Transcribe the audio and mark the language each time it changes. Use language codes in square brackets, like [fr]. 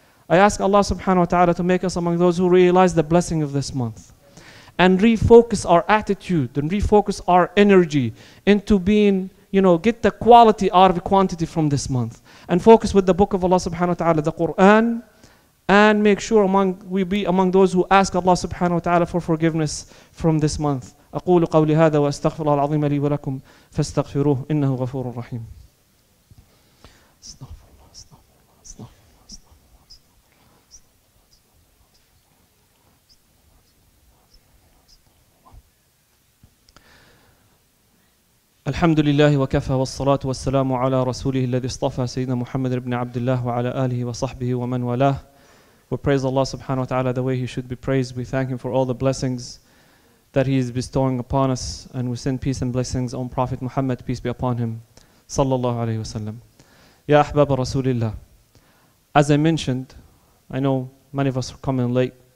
[en] I ask Allah subhanahu wa ta'ala to make us among those who realize the blessing of this month and refocus our attitude and refocus our energy into being, you know, get the quality out of quantity from this month and focus with the book of Allah subhanahu wa ta'ala, the Quran, and make sure we be among those who ask Allah subhanahu wa ta'ala for forgiveness from this month. [ar] أقول قولي هذا وأستغفر الله العظيم لي ولكم فاستغفروه إنه غفور رحيم. الحمد لله وكفى والصلاة والسلام على رسوله الذي اصطفى سيدنا محمد بن عبد الله وعلى آله وصحبه ومن والاه. [en] We praise Allah subhanahu wa ta'ala the way he should be praised. We thank him for all the blessings that he is bestowing upon us, and we send peace and blessings on Prophet Muhammad, peace be upon him, sallallahu alayhi wa sallam. [ar] Ya ahbab rasulillah, [en] as I mentioned, I know many of us are coming late.